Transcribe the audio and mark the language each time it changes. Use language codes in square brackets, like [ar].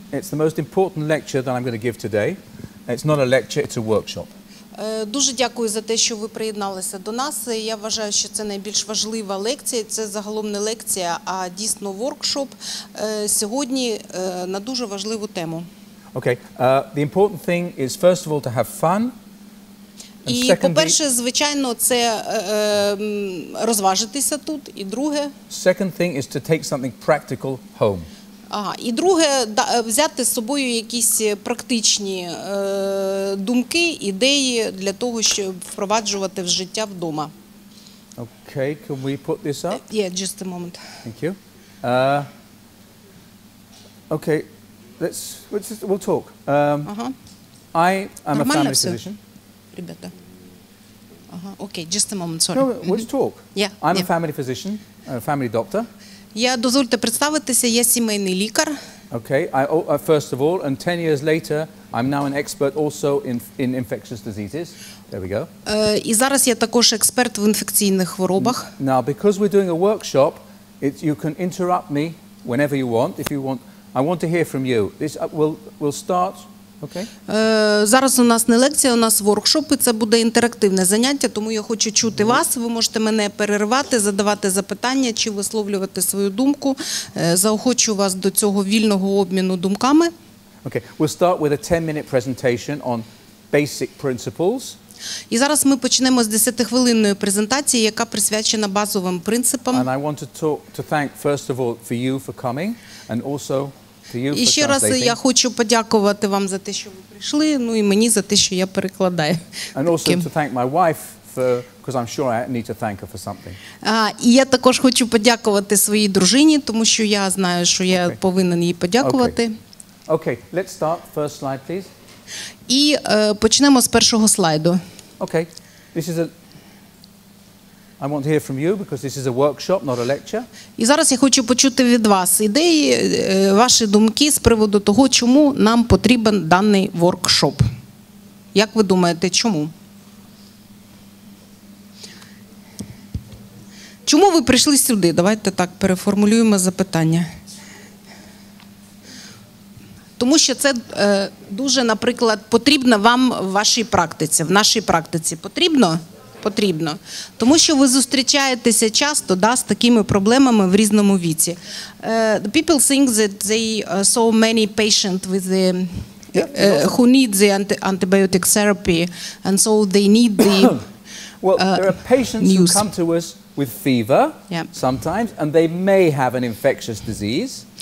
[en] It's the most important lecture that I'm going to give today. It's not a lecture, it's a workshop. [uk] Дуже дякую за те, що ви приєдналися до нас. Я вважаю, що це найбільш важлива лекція. Це загалом не лекція, а дійсно воркшоп сьогодні на дуже важливу тему. [en] Okay. The important thing is first of all to have fun. [uk] І, по-перше, звичайно, це розважитися тут. І друге... [en] Second thing is to take something practical home. [uk] І друге, взяти з собою якісь практичні думки, ідеї для того, щоб впроваджувати в життя вдома. [en] Okay, can we put this up? Yeah, just a moment. Thank you. Okay, we'll talk. I am [uk] Нормально [en] a family physician. [ru] Ребята. [en] Okay, just a moment, sorry. No, let's talk. Yeah, I'm a family physician, a family doctor. [uk] Я, дозвольте представитися, я сімейний лікар. [en] Okay, first of all, and 10 years later, I'm now an expert also in infectious diseases. There we go. [uk] І зараз я також експерт в інфекційних хворобах. [en] Now, because we're doing a workshop, you can interrupt me whenever you want, if you want. I want to hear from you. This we'll start... Okay. [uk] Зараз у нас не лекція, у нас воркшоп, і це буде інтерактивне заняття, тому я хочу чути вас. Ви можете мене перервати, задавати запитання чи висловлювати свою думку. Заохочу вас до цього вільного обміну думками. [en] Okay. We'll start with a 10-minute presentation on basic principles. [uk] І зараз ми почнемо з 10-хвилинної презентації, яка присвячена базовим принципам. [en] And I want to thank first of all for you for coming and also [uk] і ще раз я хочу подякувати вам за те, що ви прийшли, ну і мені за те, що я перекладаю. [en] And also to thank my wife for, because I'm sure I need to thank her for something. [uk] І я також хочу подякувати своїй дружині, тому що я знаю, що я повинен їй подякувати. [en] Okay, let's start. First slide, please. [uk] І почнемо з першого слайду. [en] Okay, this is a... I want to hear from you because this is a workshop, not a lecture. [uk] І зараз я хочу почути від вас ідеї, ваші думки з приводу того, чому нам потрібен даний воркшоп. Як ви думаєте, чому? Чому ви прийшли сюди? Давайте так переформулюємо запитання. Тому що це дуже, наприклад, потрібно вам в вашій практиці, в нашій практиці потрібно? Потрібно. Тому що ви зустрічаєтеся часто, да, з такими проблемами в різному віці. [en] People think that they saw many patients with the who need the antibiotic therapy and so they need the Well, there are patients news. Who come to us with fever sometimes and they may have an infectious disease.